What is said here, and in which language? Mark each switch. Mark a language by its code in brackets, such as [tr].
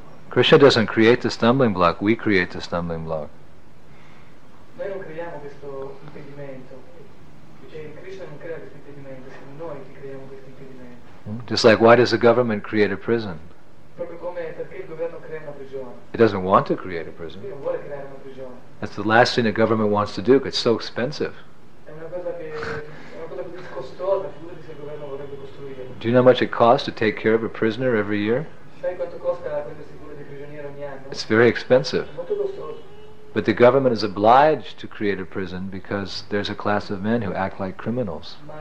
[en] Krishna doesn't create the stumbling block, we create the stumbling block. [it] Noi non creiamo questo impedimento. Krishna non crea questo impedimento, siamo noi che creiamo questo impedimento. [en] Just like, why does the government create a prison? [it] Proprio come, perché il governo crea una prigione? [en] It doesn't want to create a prison. [it] Non vuole creare una prigione. [en] That's the last thing the government wants to do, because it's so expensive. [it] È una cosa che è una cosa così costosa, figurati se il governo vorrebbe costruire. [en] Do you know how much it costs to take care of a prisoner every year? [it] Sai quanto costa la prendersi? [en] It's very expensive. But the government is obliged to create a prison because there's a class of men who act like criminals.